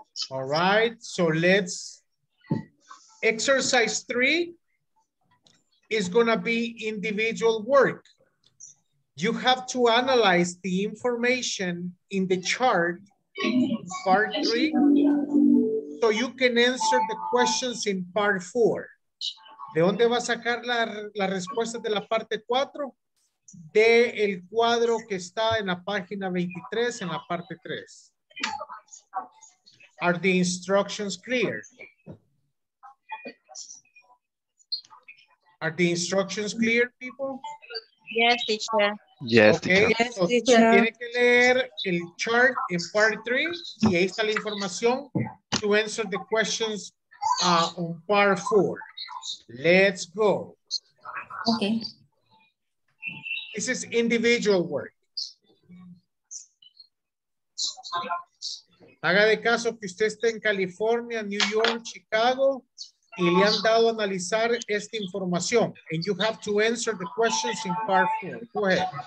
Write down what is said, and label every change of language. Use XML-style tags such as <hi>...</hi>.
<en>All right, so let's. Exercise 3 is gonna be individual work. You have to analyze the information in the chart in part 3 so you can answer the questions in part 4.</en> <es>¿De dónde va a sacar la respuesta de la parte 4? De el cuadro que está en la página 23, en la parte 3.</es> <en>Are the instructions clear? Are the instructions clear, people? Yes, teacher. Yes, okay. Teacher. Yes, teacher. Okay, so</en> <es>tiene que leer el</es> <en>chart en part 3</en> <es>y ahí está la información</es> <en>to answer the questions on part 4. Let's go. Okay. This is individual work.</en> <es>Haga de caso que usted esté en California, New York, Chicago, y le han dado a analizar esta información.</es> <en>And you have to answer the questions in part 4. Go ahead.</en>